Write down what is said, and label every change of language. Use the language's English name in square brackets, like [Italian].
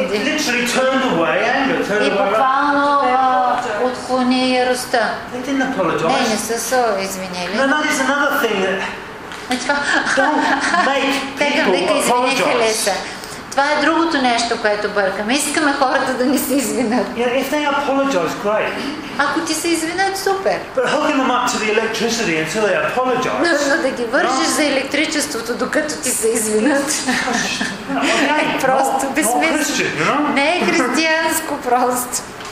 [English] It literally turned away anger, turned [Bulgarian] и буквално отклони яростта. Не, не са се извинили. [English] No, that is another thing that... Don't make people apologize. [Bulgarian] Това е другото нещо, което бъркаме. Искаме хората да ни се извинят. [English] Yeah, if they apologize, great. [Bulgarian] Ако ти се извинят, супер. [English] But hooking them up to the electricity until they apologize. [Bulgarian] Но да ги вържиш за електричеството, докато ти се извинят. [English] Okay. [Bulgarian] Просто безсмислено. [English] You know? [Bulgarian] Не е християнско просто.